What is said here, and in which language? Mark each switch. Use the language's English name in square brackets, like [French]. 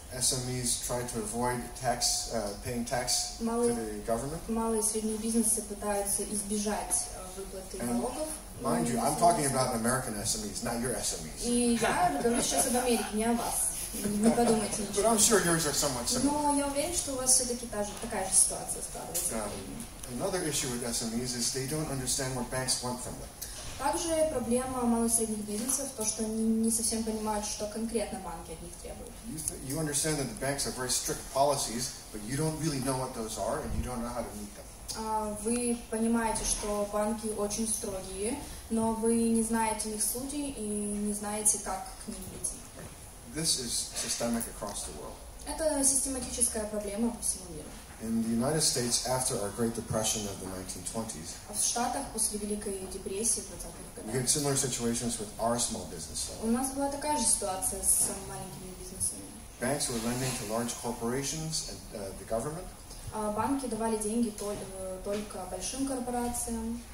[English] SMEs try to avoid paying tax to the government. [Russian] Малые и средние бизнесы пытаются избежать выплаты налогов. [English] Mind you, I'm talking about American SMEs, not your SMEs. [Russian] И я говорю сейчас об Америке, не о вас. Не подумайте ничего. [English] But I'm sure yours are somewhat similar. [Russian] Но я уверен, что у вас все-таки такая же ситуация складывается. [English] Another issue with SMEs is they don't understand what banks want from them. [Russian] Также проблема малых и средних бизнесов то, что они не совсем понимают, что конкретно банки от них требуют. [English] You understand that the banks have very strict policies, but you don't really know what those are, and you don't know how to meet them. [Russian] Вы понимаете, что банки очень строгие, но вы не знаете их сути и не знаете, как к ним прийти. [English] This is systemic across the world. [Russian] Это систематическая проблема по всему миру. [English] In the United States, after our Great Depression of the 1920s, [Russian] в Штатах после Великой депрессии 20-х годов, [English] we had similar situations with our small business loans. [Russian] У нас была такая же ситуация с маленькими бизнесами. [English] Banks were lending to large corporations and the government. [Russian] Банки давали деньги только большим корпорациям.